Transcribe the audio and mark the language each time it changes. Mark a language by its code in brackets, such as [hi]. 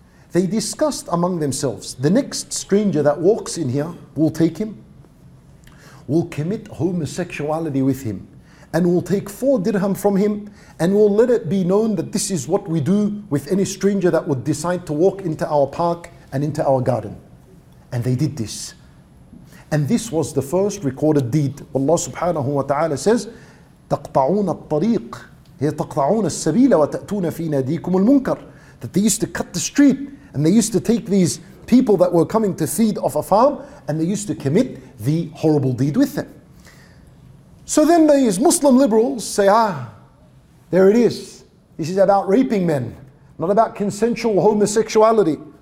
[en] They discussed among themselves, the next stranger that walks in here, we'll take him, we'll commit homosexuality with him, and we'll take 4 dirham from him, and we'll let it be known that this is what we do with any stranger that would decide to walk into our park and into our garden. And they did this. And this was the first recorded deed. Allah subhanahu wa ta'ala says, [ar] تَقْطَعُونَ الطَّرِيقِ يَتَقْطَعُونَ السَّبِيلَ وَتَأْتُونَ فِي نَادِيكُمُ الْمُنْكَرِ. [en] That they used to cut the street, and they used to take these people that were coming to feed off a farm, and they used to commit the horrible deed with them. So then these Muslim liberals say, there it is. This is about raping men, not about consensual homosexuality.